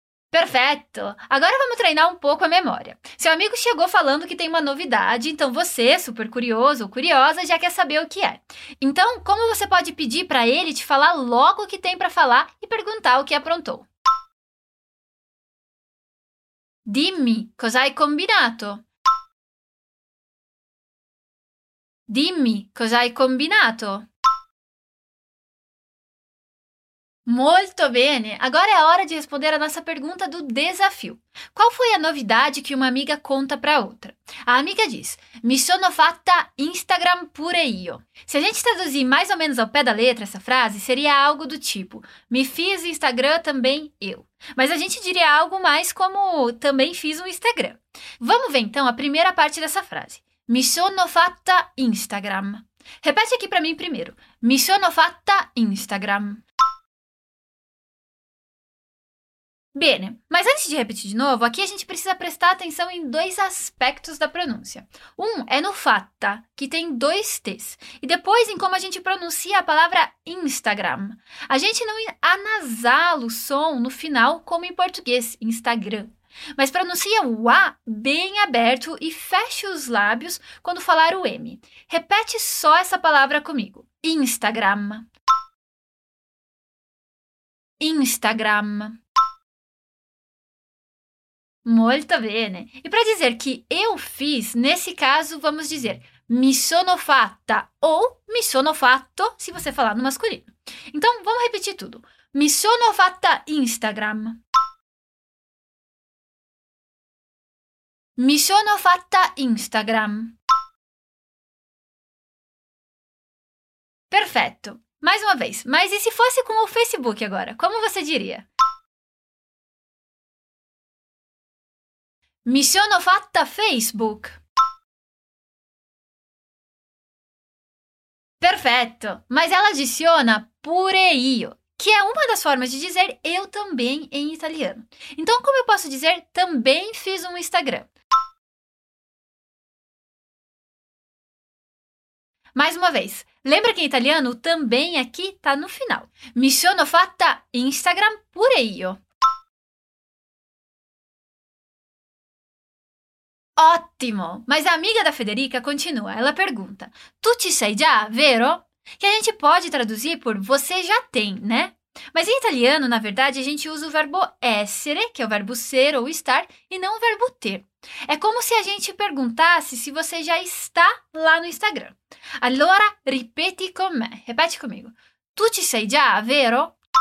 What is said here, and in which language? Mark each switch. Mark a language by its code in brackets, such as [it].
[pt] Perfeito! Agora vamos treinar um pouco a memória. Seu amigo chegou falando que tem uma novidade, então você, super curioso ou curiosa, já quer saber o que é. Então, como você pode pedir para ele te falar logo o que tem para falar e perguntar o que aprontou? [it] Dimmi, cos'hai combinato? Dimmi, cos'hai combinato? [pt] Muito bem! Agora é hora de responder a nossa pergunta do desafio. Qual foi a novidade que uma amiga conta para outra? A amiga diz, [it] Mi sono fatta Instagram pure io. [pt] Se a gente traduzir mais ou menos ao pé da letra essa frase, seria algo do tipo, Me fiz Instagram também eu. Mas a gente diria algo mais como, também fiz um Instagram. Vamos ver então a primeira parte dessa frase. [it] Mi sono fatta Instagram. [pt] Repete aqui para mim primeiro. [it] Mi sono fatta Instagram. Bene, [pt] mas antes de repetir de novo, aqui a gente precisa prestar atenção em dois aspectos da pronúncia. Um é no fatta, que tem dois t's, e depois em como a gente pronuncia a palavra Instagram. A gente não anasala o som no final como em português, Instagram, mas pronuncia o A bem aberto e fecha os lábios quando falar o M. Repete só essa palavra comigo, Instagram. [it] Instagram. [pt] Muito bem. E para dizer que eu fiz, nesse caso, vamos dizer [it] mi sono fatta [pt] ou [it] mi sono fatto, [pt] se você falar no masculino. Então, vamos repetir tudo. [it] Mi sono fatta Instagram. Mi sono fatta Instagram. [pt] Perfeito. Mais uma vez. Mas e se fosse com o Facebook agora? Como você diria? [it] Mi sono fatta Facebook. Perfetto. [pt] Mas ela adiciona [it] pure io. [pt] que é uma das formas de dizer eu também em italiano. Então, como eu posso dizer também fiz um Instagram? Mais uma vez, lembra que em italiano também aqui tá no final. [it] Mi sono fatta Instagram pure io. [pt] Ótimo! Mas a amiga da Federica continua, ela pergunta: [it] tu ci sei già, vero? [pt] Que a gente pode traduzir por você já tem, né? Mas em italiano, na verdade, a gente usa o verbo essere, que é o verbo ser ou estar, e não o verbo ter. É como se a gente perguntasse se você já está lá no Instagram. [it] Allora, ripeti con me. [pt] Repete comigo. [it] Tu ci sei già, vero?